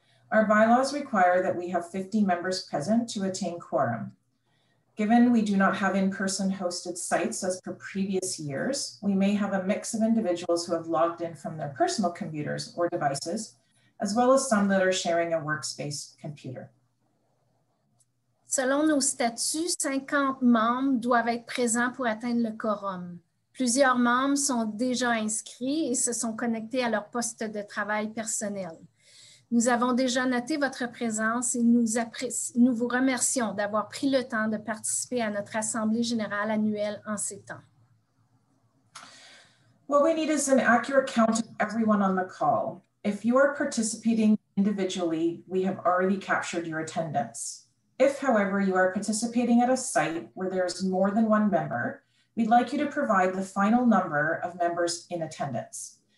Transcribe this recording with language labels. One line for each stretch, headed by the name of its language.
English: Our bylaws require that we have 50 members present to attain quorum. Given we do not have in-person hosted sites as per previous years, we may have a mix of individuals who have logged in from their personal computers or devices, as well as some that are sharing a workspace computer.
French: Selon nos statuts, 50 membres doivent être présents pour atteindre le quorum. Plusieurs membres sont déjà inscrits et se sont connectés à leur poste de travail personnel. Nous avons déjà noté votre présence et nous vous remercions d'avoir pris le temps de participer à notre Assemblée générale annuelle en ces temps.
English: What we need is an accurate count of everyone on the call. If you are participating individually, we have already captured your attendance. If, however, you are participating at a site where there is more than one member, we'd like you to provide the final number of members in attendance.